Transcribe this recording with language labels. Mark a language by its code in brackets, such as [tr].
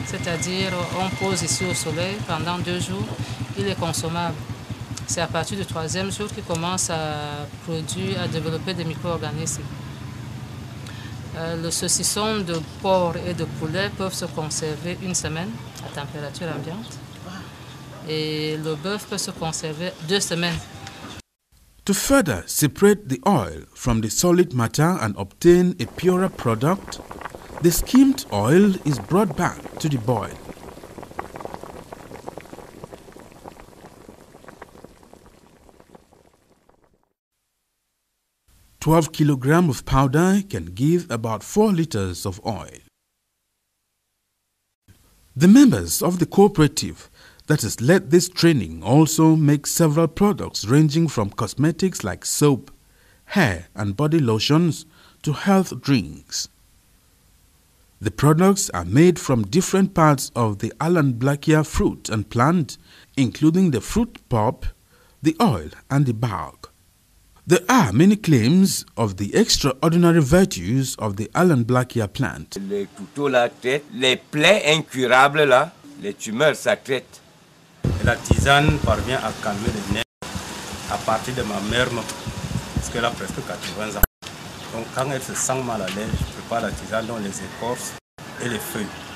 [fr] C'est-à-dire, on pose ici au soleil pendant 2 jours. Il est consommable. C'est à partir du 3e jour qu'il commence à produire, à développer des micro-organismes. Le saucisson de porc et de poulet peuvent se conserver 1 semaine à température ambiante. Et le bœuf peut se conserver 2 semaines. [en] To further separate the oil from the solid matter and obtain a purer product, the skimmed oil is brought back to the boil. Twelve kilograms of powder can give about 4 liters of oil. The members of the cooperative that has led this training also make several products ranging from cosmetics like soap, hair and body lotions to health drinks. The products are made from different parts of the Allanblackia fruit and plant, including the fruit pulp, the oil and the bark. There are many claims of the extraordinary virtues of the Allanblackia plant. [fr] Les couteaux la traite, les plaies incurables là, les tumeurs ça traite. La tisane parvient à calmer les nerfs à partir de ma mère, parce qu'elle a presque 80 ans. Donc quand elle se sent mal à l'aise, je prépare la tisane dans les écorces et les feuilles.